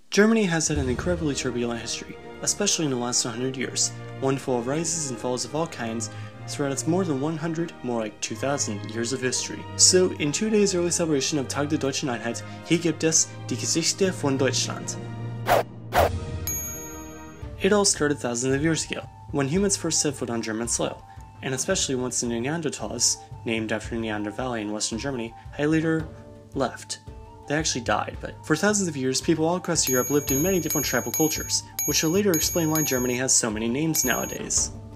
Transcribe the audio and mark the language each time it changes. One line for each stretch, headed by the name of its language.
German: Germany has had an incredibly turbulent history, especially in the last 100 years, one full of rises and falls of all kinds throughout its more than 100, more like 2,000 years of history.
English: So, in 2 days early celebration of
German: Tag der Deutschen Einheit, hier gibt es die Geschichte von Deutschland.
English: It all started thousands of years ago, when humans first set foot on German soil, and especially once the Neanderthals, named after the Neander Valley in western Germany, had later left. They actually died, but for thousands of years, people all across Europe lived in many different tribal cultures, which will later explain why Germany has so many names nowadays.